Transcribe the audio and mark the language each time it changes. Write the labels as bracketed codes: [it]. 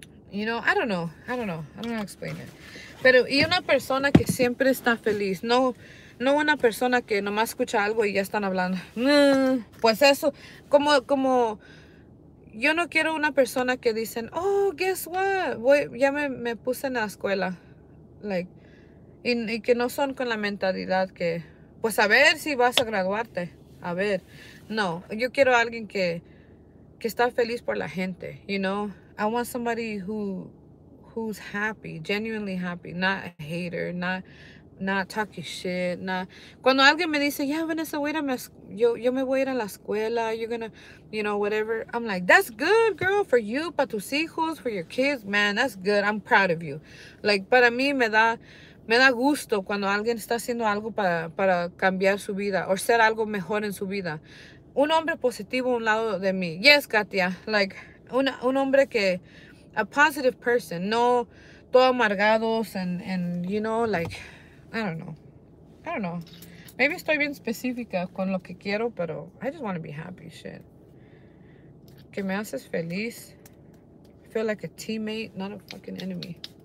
[en] You know, I don't know how to explain it. [es] Pero y una persona que siempre está feliz. No una persona que nomás escucha algo y ya están hablando. Pues eso, como... Yo no quiero una persona que dicen, [en] oh, guess what? [es] Ya me puse en la escuela. Like, y que no son con la mentalidad que, pues a ver si vas a graduarte. A ver. No, yo quiero a alguien que está feliz por la gente. [en] You know? I want somebody who's happy, genuinely happy. Not a hater, not talking shit, not. [es] Cuando alguien me dice, [en] yeah, [es] Vanessa, [en] wait a minute, [es] yo me voy a ir a la escuela, [en] you're gonna, you know, whatever. I'm like, that's good, girl, for you, [es] para tus hijos, [en] for your kids, man, that's good, I'm proud of you. [es] Like, para mí me da gusto cuando alguien está haciendo algo para cambiar su vida o ser algo mejor en su vida. Un hombre positivo a un lado de mí. [en] Yes, Katia, like, [es] un hombre que, [en] a positive person, [es] no todo amargados [en] and you know, like, I don't know. Maybe [es] estoy bien específica con lo que quiero, pero [en] I just want to be happy, shit. [es] Que me haces feliz. [en] I feel like a teammate, not a fucking enemy.